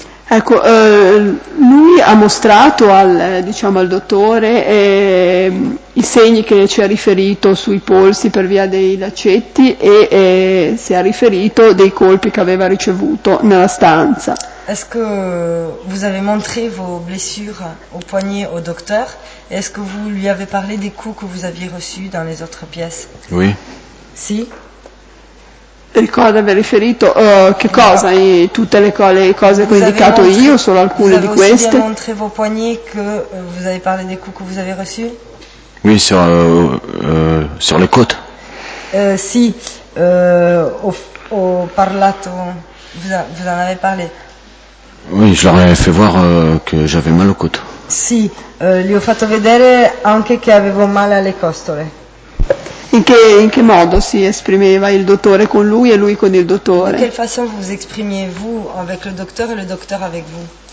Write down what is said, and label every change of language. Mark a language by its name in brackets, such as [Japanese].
[Italian] Ecco, lui ha mostrato al, diciamo, al dottore i segni che ci ha riferito sui polsi per via dei lacetti e si è riferito dei colpi che aveva ricevuto nella stanza. [French] Est-ce que vous avez montré vos blessures au poignet au docteur? Est-ce que vous lui avez parlé des coups que vous aviez reçus dans les autres pièces? Oui. [Italian] Si. Ricordo aver riferito che cosa? No. Tutte le cose che ho indicato [French] montré, [Italian] io, solo alcune di queste. [French] Vous avez montré vos poignets que vous avez parlé des coups que vous avez reçus? Oui, sur sur les côtes. [Italian] Si, ho parlato, [French] vous en avez parlé. Oui, je leur ai fait voir que j'avais mal aux côtes. [Italian] Si, gli ho fatto vedere anche che avevo male alle costole. In che modo si esprimeva il dottore con lui e lui con il dottore? [French] In quelle façon vous exprimiez-vous avec le docteur et le docteur avec vous?